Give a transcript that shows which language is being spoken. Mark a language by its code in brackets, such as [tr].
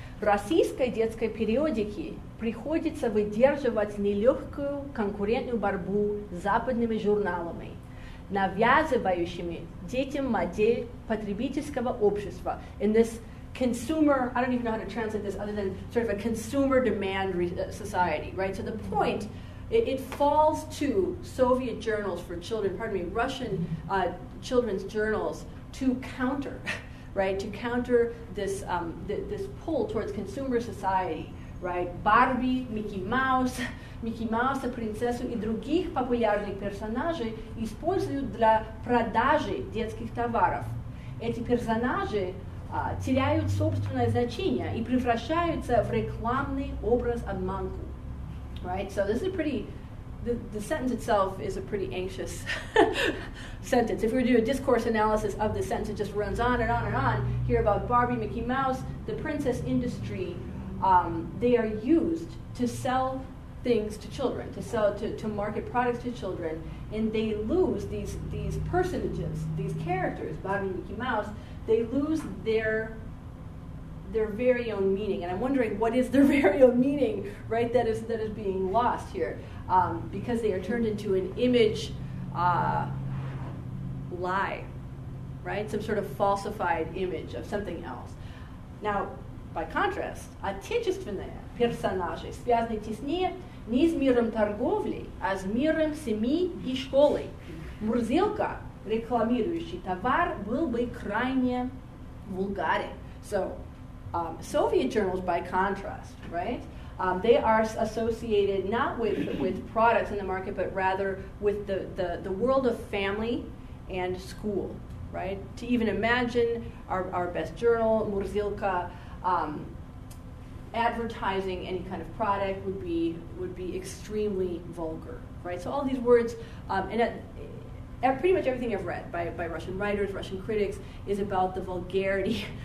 [ru] Российской детской периодике приходится выдерживать нелегкую конкурентную борьбу с западными журналами, навязывающими детям модель потребительского общества. [en] In this consumer, I don't even know how to translate this other than sort of a consumer demand society, right? So the point, it falls to Soviet journals for children, pardon me, Russian children's journals to counter, right, to counter this this pull towards consumer society, right? [ru] Барби, Микки Мауса, принцессу и других популярных персонажей используют для продажи детских товаров. Эти персонажи теряют собственное значение и превращаются в рекламный образ обманку. [en] Right, so this is pretty... The sentence itself is a pretty anxious sentence. If we were to do a discourse analysis of the sentence, it just runs on and on and on. Here about Barbie, Mickey Mouse, the princess industry, they are used to sell things to children, to market products to children, and they lose these personages, these characters, Barbie, Mickey Mouse, they lose their very own meaning. And I'm wondering, what is their very own meaning, right, that is being lost here? Because they are turned into an image lie, right? Some sort of falsified image of something else. Now, by contrast, [ru] отечественные персонажи связаны теснее не с миром торговли, а с миром семьи и школы. Мурзилка, рекламирующий товар, был бы крайне вульгарен. [en] So, Soviet journals, by contrast, right? They are associated not with products in the market, but rather with the world of family and school, right? To even imagine our best journal, Мурзилка, advertising any kind of product would be extremely vulgar, right? So all these words, and pretty much everything I've read by Russian writers, Russian critics, is about the vulgarity,